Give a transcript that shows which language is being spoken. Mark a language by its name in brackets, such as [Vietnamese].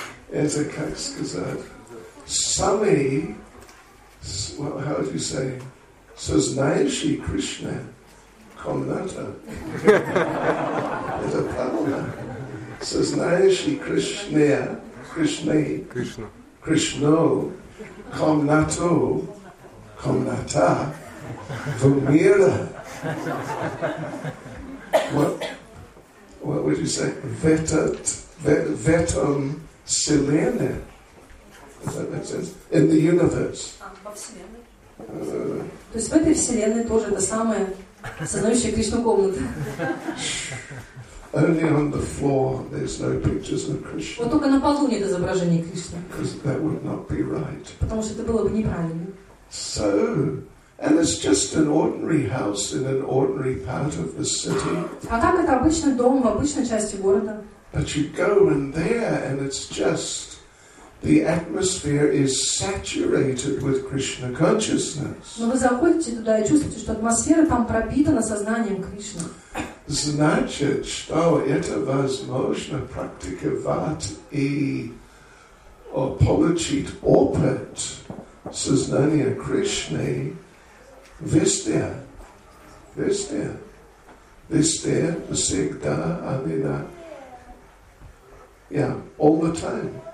[English] It's a case because how do you say? [Russian] Сознающий Кришна комната. Это правда. Сознающий Кришна, Кришно комнату, комната, вмира. [English] What would you say? [Russian] Ветом селене. [English] Does that make sense? In the universe. [Russian] То есть в этой вселенной тоже это самое сознающее Кришну комната. [English] Only on the floor there's no pictures of Krishna. [Russian] Вот только на полу нет изображений Кришны. [English] Because that would not be right. [Russian] Потому что это было бы неправильно. [English] So, and it's just an ordinary house in an ordinary part of the city. [Russian] А так это обычный дом в обычной части города. [English] But you go in there and it's just the atmosphere is saturated with Krishna consciousness. [Russian] Но вы заходите туда и чувствуете, что атмосфера там пропитана сознанием Кришны. Значит, что это возможно практиковать и получить опыт сознания Кришны везде, всегда, амина, [English] all the time.